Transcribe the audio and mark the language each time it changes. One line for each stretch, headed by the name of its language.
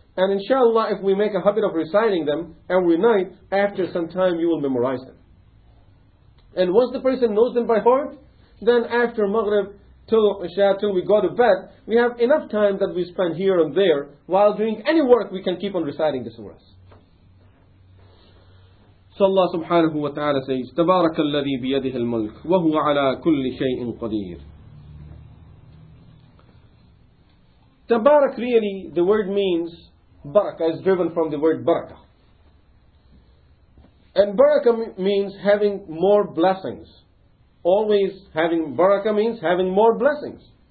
English: And inshallah, if we make a habit of reciting them every night, after some time you will memorize them. And once the person knows them by heart, then after Maghrib till Isha, till we go to bed, we have enough time that we spend here and there. While doing any work, we can keep on reciting the surahs. So Allah subhanahu wa ta'ala says,
Arabic: تَبَارَكَ الَّذِي بِيَدِهِ الْمُلْكِ وَهُوَ عَلَى كُلِّ شَيْءٍ قَدِيرٍ.
English: Tabarak, really, the word means barakah, is driven from the word barakah. And barakah means having more blessings. Always having barakah means having more blessings.